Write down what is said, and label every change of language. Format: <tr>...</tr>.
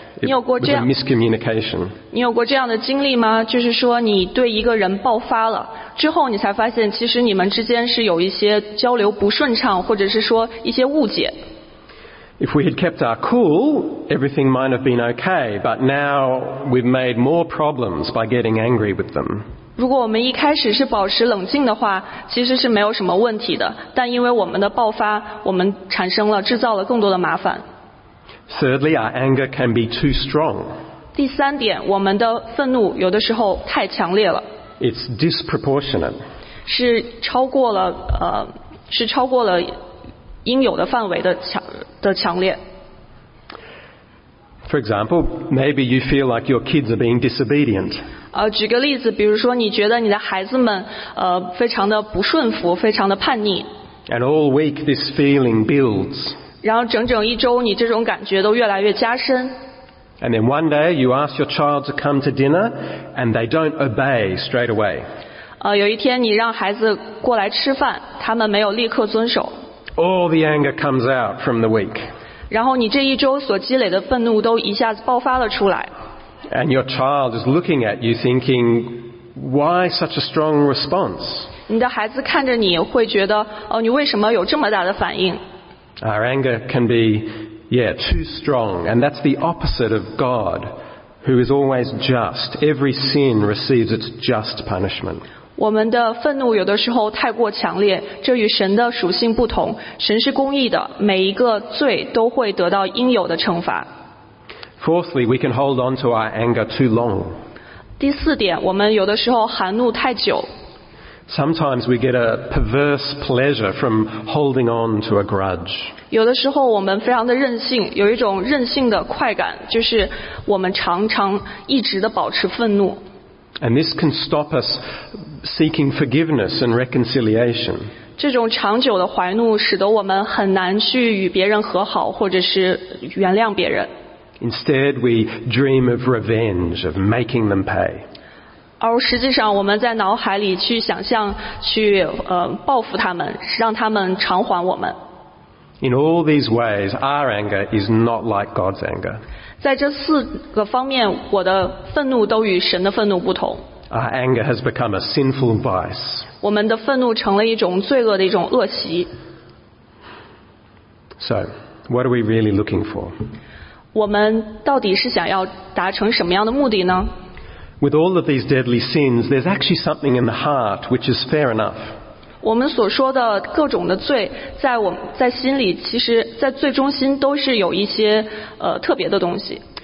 <en>It was a miscommunication.</en> <zh>你有过这样的经历吗？就是说你对一个人爆发了，之后你才发现其实你们之间是有一些交流不顺畅，或者是说一些误解。</zh> <en>If we had kept our cool, everything might have been okay, but now we've made more problems by getting angry with them.</en> <zh>如果我们一开始是保持冷静的话，其实是没有什么问题的。但因为我们的爆发，我们产生了、制造了更多的麻烦。</zh> <en>Thirdly, our anger can be too strong.</en> <zh>第三点，我们的愤怒有的时候太强烈了。</zh> <en>It's disproportionate.</en> <zh>是超过了是超过了应有的范围的强烈。</zh> <en>For example, maybe you feel like your kids are being disobedient.</en> <zh>举个例子，比如说你觉得你的孩子们非常的不顺服，非常的叛逆。</zh> <en>And all week this feeling builds.</en> <zh>然后整整一周，你这种感觉都越来越加深。</zh> <en>And then one day you ask your child to come to dinner, and they don't obey straight away.</en> <zh>有一天你让孩子过来吃饭，他们没有立刻遵守。</zh> <en>All the anger comes out from the week.</en> <zh>然后你这一周所积累的愤怒都一下子爆发了出来。</zh> <en>And your child is looking at you thinking, why such a strong response?</en> <zh>你的孩子看着你会觉得，你为什么有这么大的反应？</zh> <en>Our anger can be, too strong. And that's the opposite of God, who is always just. Every sin receives its just punishment.</en> <zh>我们的愤怒有的时候太过强烈，这与神的属性不同。神是公义的，每一个罪都会得到应有的惩罚。</zh> <en>Fourthly, we can hold on to our anger too long.</en> <zh>第四点，我们有的时候含怒太久。</zh> <en>Sometimes we get a perverse pleasure from holding on to a grudge.</en> <zh>有的时候我们非常的任性，有一种任性的快感，就是我们常常一直的保持愤怒。</zh> <en>And this can stop us seeking forgiveness and reconciliation.</en> <zh>这种长久的怀怒使得我们很难去与别人和好，或者是原谅别人。</zh> <en>Instead, we dream of revenge, of making them pay.</en> <zh>而实际上，我们在脑海里去想象，去报复他们，让他们偿还我们。</zh> <en>In all these ways, our anger is not like God's anger.</en> <zh>在这四个方面，我的愤怒都与神的愤怒不同。</zh> <en>Our anger has become a sinful vice.</en> <zh>我们的愤怒成了一种罪恶的一种恶习。</zh> <en>So, what are we really looking for?</en> <zh>我们到底是想要达成什么样的目的呢？</zh> <en>With all of these deadly sins, there's actually something in the heart which is fair enough.</en> <zh>我们所说的各种的罪，在心里，其实在最中心都是有一些特别的东西。</zh>